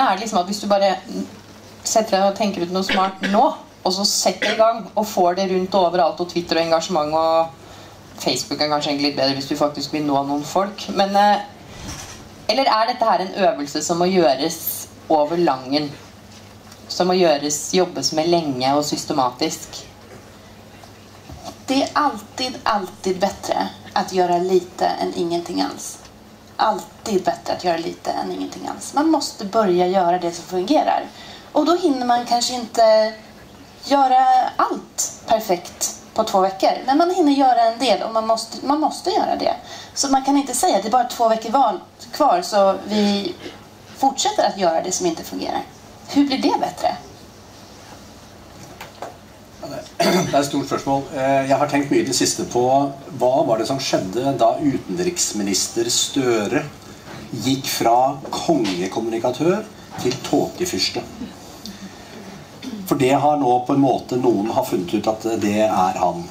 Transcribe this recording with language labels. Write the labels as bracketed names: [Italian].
[Norwegian] Er det liksom at hvis du bare setter deg og tenker ut noe smart nå, og så setter i gang og får det rundt overalt, og Twitter og engasjement, og Facebook er kanskje litt bedre hvis du faktisk vil nå noen folk, men eller er dette her en øvelse som må gjøres over langen, som må gjøres, jobbes med lenge og systematisk? [Swedish] Det är alltid, alltid bättre att göra lite än ingenting alls. Alltid bättre att göra lite än ingenting alls. Man måste börja göra det som fungerar. Och då hinner man kanske inte göra allt perfekt på 2 veckor. Men man hinner göra en del, och man måste göra det. Så man kan inte säga att det är bara 2 veckor kvar, så vi fortsätter att göra det som inte fungerar. Hur blir det bättre? [Norwegian] Det er et stort spørsmål. Jeg har tenkt mye det siste på hva var det som skjedde da utenriksminister Støre gikk fra kongekommunikatør til tåkefyrste. For det har nå på en måte noen har funnet ut at det er han.